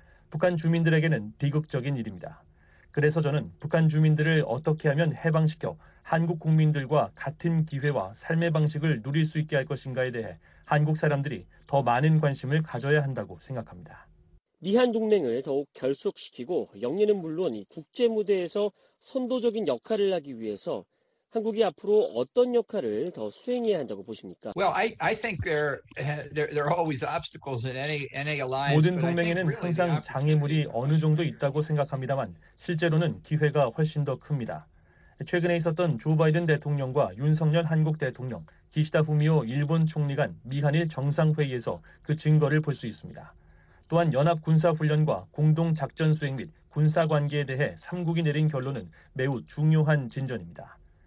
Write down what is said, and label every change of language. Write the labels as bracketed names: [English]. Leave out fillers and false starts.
[Korean] 북한 주민들에게는 비극적인 일입니다. 그래서 저는 북한 주민들을 어떻게 하면 해방시켜 한국 국민들과 같은 기회와 삶의 방식을 누릴 수 있게 할 것인가에 대해 한국 사람들이 더 많은 관심을 가져야 한다고 생각합니다. 미한 동맹을 더욱 결속시키고 역내는 물론 국제 무대에서 선도적인 역할을 하기 위해서 한국이 앞으로 어떤 역할을 더 수행해야 한다고 보십니까? [English] Well, I think there are always obstacles in any alliance. [Korean] 모든 동맹에는 항상 장애물이 어느 정도 있다고 생각합니다만 실제로는 기회가 훨씬 더 큽니다. 최근에 있었던 조 바이든 대통령과 윤석열 한국 대통령, 기시다 후미오 일본 총리 간 미한일 정상회의에서 그 증거를 볼 수 있습니다. 또한 연합군사훈련과 공동작전수행 및 군사관계에 대해 3국이 내린 결론은 매우 중요한 진전입니다.